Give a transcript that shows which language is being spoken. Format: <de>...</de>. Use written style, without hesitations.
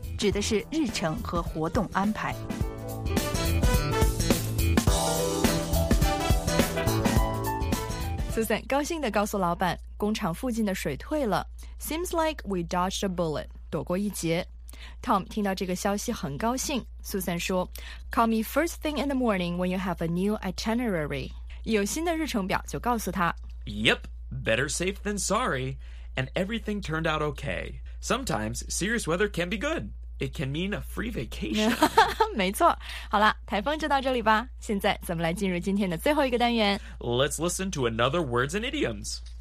<zh>指的是日程和活动安排。 Susan 高兴地告诉老板，工厂附近的水退了。</zh> <en>Seems like we dodged a bullet,</en> <zh>躲过一劫。 Tom 听到这个消息很高兴。</zh> <en>Susan</en> <zh>说，</zh> <en>Call me first thing in the morning when you have a new itinerary.</en> <zh>有新的日程表就告诉他。</zh> <en>Yep, better safe than sorry. And everything turned out okay. Sometimes serious weather can be good. It can mean a free vacation.</en> <zh>没错。好了，台风就到这里吧。现在咱们来进入今天的最后一个单元。</zh> <en>Let's listen to another words and idioms.</en>